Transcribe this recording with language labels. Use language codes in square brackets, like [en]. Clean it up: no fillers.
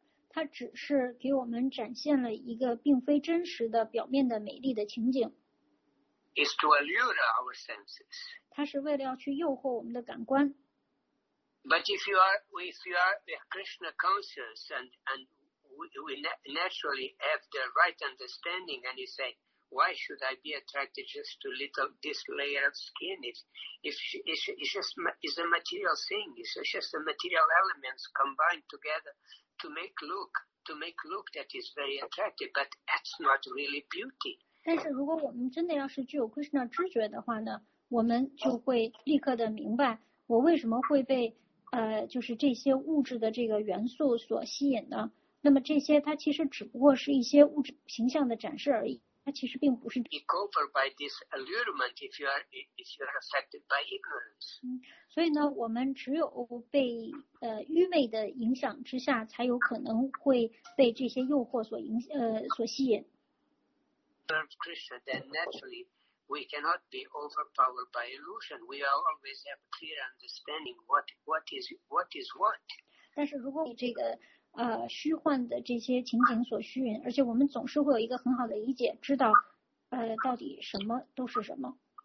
[zh] 它只是给我们展现了一个并非真实的表面的美丽的情景。 [en] It's to allure our senses. [zh] 它是为了要去诱惑我们的感官。 [en] But if you are Krishna conscious and we naturally have the right understanding and you say, why should I be attracted just to this layer of skin? It's a material thing. It's just the material elements combined together. To make look that is very attractive, but that's not really beauty. [zh] 但是如果我们真的要是具有 Krishna 知觉的话呢，我们就会立刻的明白我为什么会被就是这些物质的这个元素所吸引呢。那么这些它其实只不过是一些物质形象的展示而已，它其实并不是。 [en] You go for by this allurement if you are affected by ignorance. [zh] 所以呢，我们只有被愚昧的影响之下，才有可能会被这些诱惑所吸引。 [en] Serve Krishna, then naturally we cannot be overpowered by illusion. We always have a clear understanding what is what. [zh] 但是如果这个虚幻的这些情景所虚云，而且我们总是会有一个很好的理解，知道到底什么都是什么。